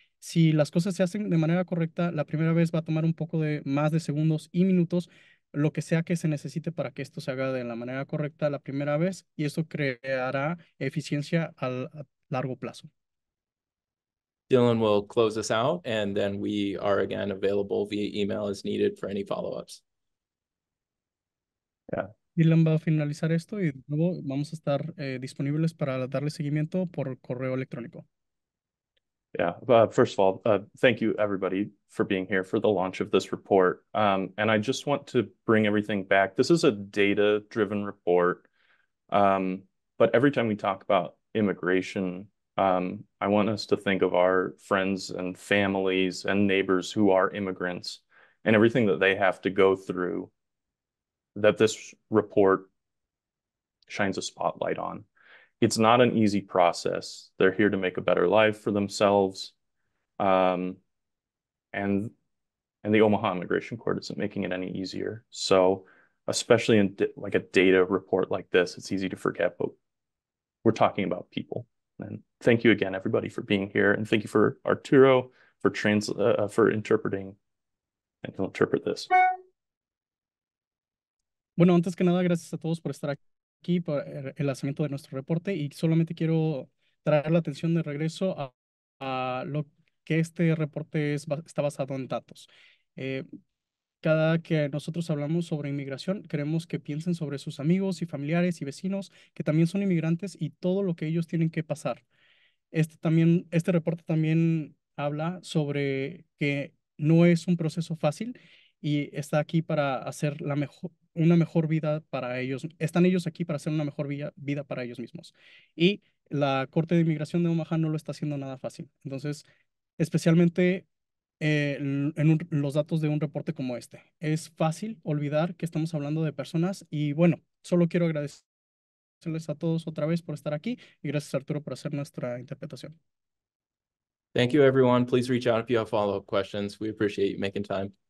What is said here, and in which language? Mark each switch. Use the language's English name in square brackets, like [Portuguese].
[Spanish] Si las cosas se hacen de manera correcta, la primera vez va a tomar un poco de más de segundos y minutos. lo que sea que se necesite para que esto se haga de la manera correcta la primera vez, y eso creará eficiencia al largo plazo. [English] Dylan will close us out, and then we are again available via email as needed for any follow-ups. Yeah. [Spanish] Dylan va a finalizar esto y luego vamos a estar disponibles para darle seguimiento por correo electrónico. [English] Yeah, first of all, thank you everybody for being here for the launch of this report. And I just want to bring everything back. This is a data-driven report, but every time we talk about immigration, I want us to think of our friends and families and neighbors who are immigrants and everything that they have to go through that this report shines a spotlight on. It's not an easy process. They're here to make a better life for themselves. And the Omaha Immigration Court isn't making it any easier. So especially in like a data report like this, it's easy to forget, but we're talking about people. And thank you again, everybody, for being here. And thank you for Arturo for for interpreting, and he'll interpret this. [Spanish] Bueno, antes que nada, gracias a todos por estar aquí para el lanzamiento de nuestro reporte. Y solamente quiero traer la atención de regreso a lo que este reporte está basado en datos. Cada que nosotros hablamos sobre inmigración, queremos que piensen sobre sus amigos y familiares y vecinos que también son inmigrantes y todo lo que ellos tienen que pasar. Este reporte también habla sobre que no es un proceso fácil y está aquí para hacer una mejor vida para ellos. Están ellos aquí para hacer una mejor vida para ellos mismos. Y la Corte de Inmigración de Omaha no lo está haciendo nada fácil. Entonces, especialmente los datos de un reporte como este. Es fácil olvidar que estamos hablando de personas y bueno, solo quiero agradecerles a todos otra vez por estar aquí y gracias Arturo por hacer nuestra interpretación. [English] Thank you everyone. Please reach out if you have follow-up questions. We appreciate you making time.